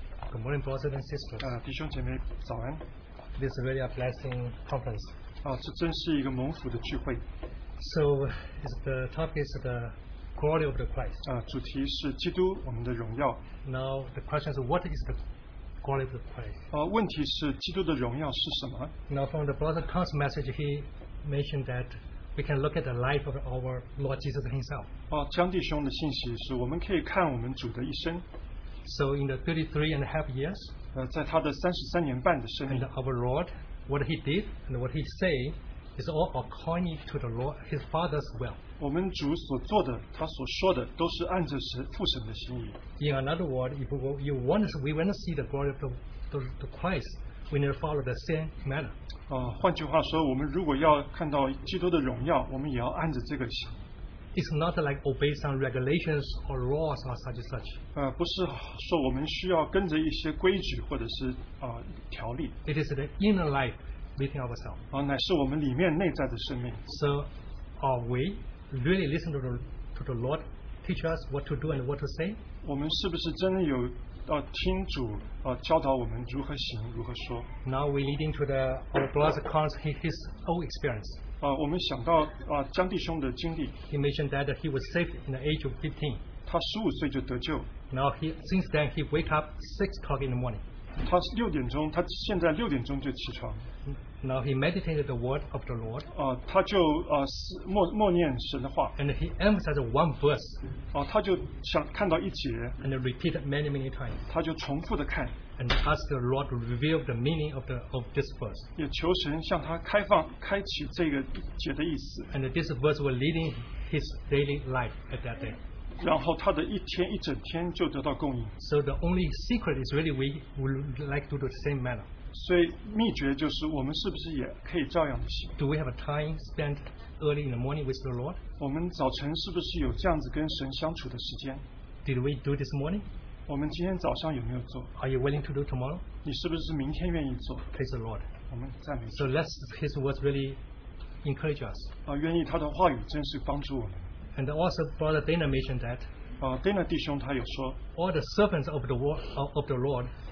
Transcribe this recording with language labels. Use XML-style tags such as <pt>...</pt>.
<en>Good morning, brothers and sisters.</en> <zh>弟兄姐妹, 早安。</zh> <en>This is really a blessing conference.</en> <zh>这真是一个蒙福的聚会。</zh> <en>So, the topic is the glory of the Christ.</en> <zh>主题是基督, 我们的荣耀。</zh> <en>Now, the question is, what is the glory of the Christ?</en> <zh>问题是基督的荣耀是什么?</zh> <en>Now, from the brother Tom's message, he mentioned that we can look at the life of our Lord Jesus himself.</en> <zh>江弟兄的信息是我们可以看我们主的一生。</zh> <en>So in the 33.5 years,</en> <zh>在他的33年半的生命,</zh> <en>and our Lord, what he did and what he said is all according to the Lord, his Father's will.</en> <zh>我们主所做的, 他所说的, 都是按着父神的心意。</zh> <en>In another word, if you want us, we want to see the glory of the Christ, we need to follow the same manner.</en> <zh>换句话说, 我们如果要看到基督的荣耀, 我们也要按着这个心。</zh> <en>It's not like obey some regulations or laws or such and such.</en> <zh>不是说我们需要跟着一些规矩或者是 条例.</zh> <en>It is the inner life within ourselves.</en> <zh>乃是我们里面内在的生命.</zh> <en>So, are we really listening to the Lord teach us what to do and what to say?</en> <zh>我们是不是真的有 听主 教导我们如何行如何说?</zh> <en>Now we leading to the our brother Khan's his own experience.</en> <zh>我们想到 江弟兄的经历。</zh> <en>He mentioned that he was saved in the age of 15.</en> <zh>他15岁就得救。</zh> <en>Now he since then he wake up 6 o'clock in the morning.</en> <zh>他6点钟, 他现在6点钟就起床。</zh> <en>Now he meditated the word of the Lord.</en> <zh>他就默念神的话。</zh> <en>And he emphasized one verse.</en> <zh>他就想看到一节。</zh> <en>And repeated many, many times.</en> <zh>他就重复的看。</zh> <en>And ask the Lord to reveal the meaning of this verse.</en> <zh>也求神向他开放, 开启这个节的意思。</zh> <en>And this verse was leading his daily life at that day.</en> <zh>然后他的一天一整天就得到供应。</zh> <en>So the only secret is really we would like to do the same manner.</en> <zh>所以秘诀就是我们是不是也可以照样的行?</zh> <en>Do we have a time spent early in the morning with the Lord?</en> <zh>我们早晨是不是有这样子跟神相处的时间?</zh> <en>Did we do this morning?</en> <zh>我们今天早上有没有做?</zh> <en>Are you willing to do tomorrow?</en> <zh>你是不是明天愿意做?</zh> <en>Praise the Lord.</en> <zh>我们赞美主。</zh> <en>So let his words really encourage us.</en> <zh>愿意他的话语真是帮助我们。</zh> <en>And also Brother Dana mentioned that</en> <zh>Dana 弟兄他有说,</zh> <en>all the servants of the world, of the Lord</en>